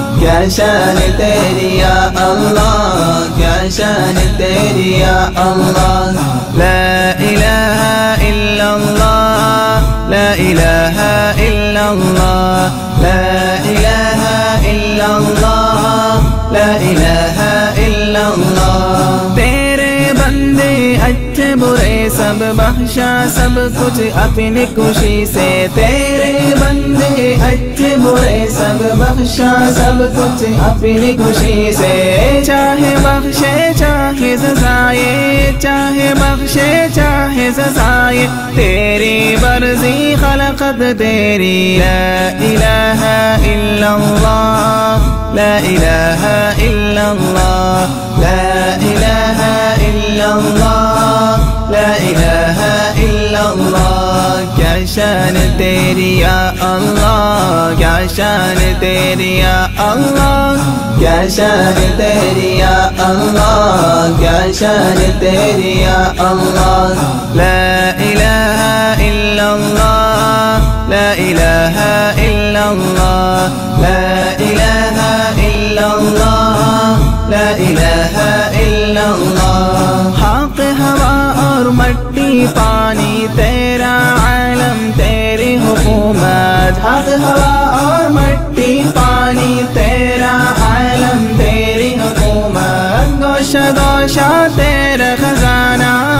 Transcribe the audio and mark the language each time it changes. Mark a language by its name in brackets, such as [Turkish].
[Urdu] كشان تيري يا الله كشان تيري يا الله [Arabic] لا إله إلا الله لا إله إلا الله لا إله إلا الله لا إله إلا الله [Urdu] تیرے بندے اچھے برے سب بخشا سب کچھ اپنی خوشی سے تیرے بندے اچھے برے سب بخشا سب کچھ اپنی خوشی سے چاہے بخشے چاہے سزائے چاہے بخشے چاہے سزائے تیری مرضی خلقت تیری [Arabic] لا إله إلا الله [Urdu] لا إله إلا الله [Arabic] لا إله إلا الله لا إله إلا الله [Urdu] كشان تيري يا الله كشان تيري يا الله كشان تيري يا الله كشان تيري يا الله [Arabic] لا إله إلا الله لا إله إلا الله لا إله إلا الله لا إله إلا الله [Urdu] حق هواء اور مٹی پانی تیرا عالم تیری حکومت حق هواء اور مٹی پانی تیرا عالم تیری حکومت گوشہ گوشہ تیرا خزانہ